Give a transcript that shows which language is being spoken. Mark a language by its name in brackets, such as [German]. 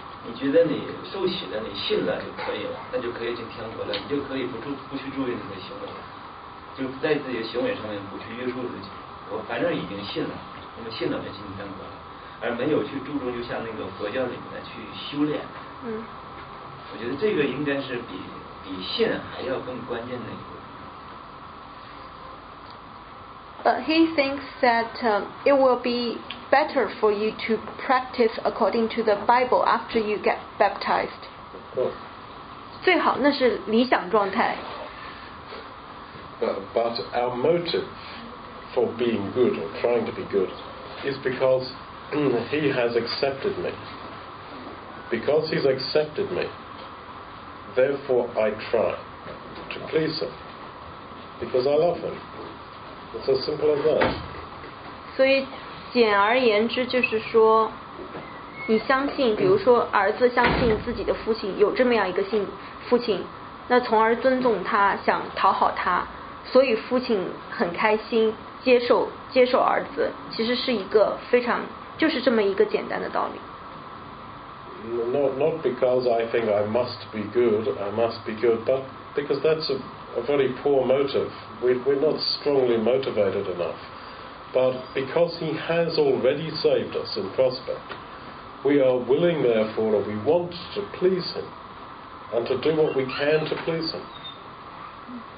[Chinese] 你觉得你受洗了，你信了就可以了，那就可以进天国了，你就可以不去注意你的行为了，就是在自己的行为上面不去约束自己。我反正已经信了。那么信了就进天国了，而没有去注重，就像那个佛教里面的去修炼。嗯，我觉得这个应该是比信还要更关键的一个。 [English] But he thinks that it will be better for you to practice according to the Bible after you get baptized. Of course. [Chinese] 最好那是理想状态。 [English] But our motive. For being good or trying to be good is because he has accepted me. Because he's accepted me, therefore I try to please him. Because I love him. It's as simple as that. [Chinese] 所以简而言之就是说你相信比如说儿子相信自己的父亲有这么样一个父亲那从而尊重他想讨好他所以父亲很开心接受儿子，其实是一个非常就是这么一个简单的道理。 [English] Not because I think I must be good, I must be good, but because that's a very poor motive. We're not strongly motivated enough. But because he has already saved us in prospect, we are willing, therefore, or we want to please him and to do what we can to please him.